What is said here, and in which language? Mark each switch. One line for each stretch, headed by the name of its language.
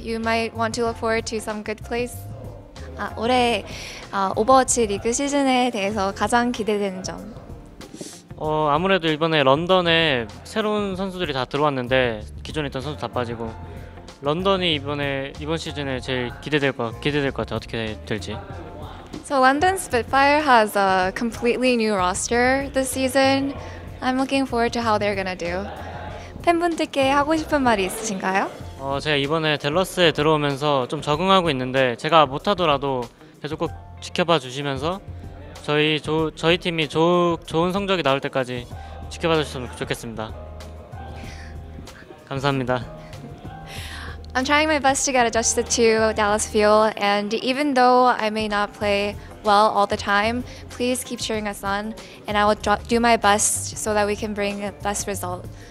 English: You might want to look forward to some good plays.
Korean: 올해 오버워치 리그 시즌에 대해서 가장 기대되는 점. 아무래도 이번에 런던에 새로운 선수들이 다 들어왔는데 기존에 있던 선수 다 빠지고 런던이 이번 시즌에 제일 기대될 것 같아요. 어떻게 될지.
English: So London Spitfire has a completely new roster this season. I'm looking forward to how they're gonna do.
Korean: 팬분들께 하고 싶은 말이 있으신가요? 제가 이번에 댈러스에 들어오면서 좀 적응하고 있는데 제가 못하더라도 계속 꼭 지켜봐 주시면서 저희 팀이 좋은 성적이 나올 때까지 지켜봐 주셨으면 좋겠습니다. 감사합니다.
English: I'm trying my best to get adjusted to Dallas Fuel, and even though I may not play well all the time, please keep cheering us on, and I will do my best so that we can bring the best result.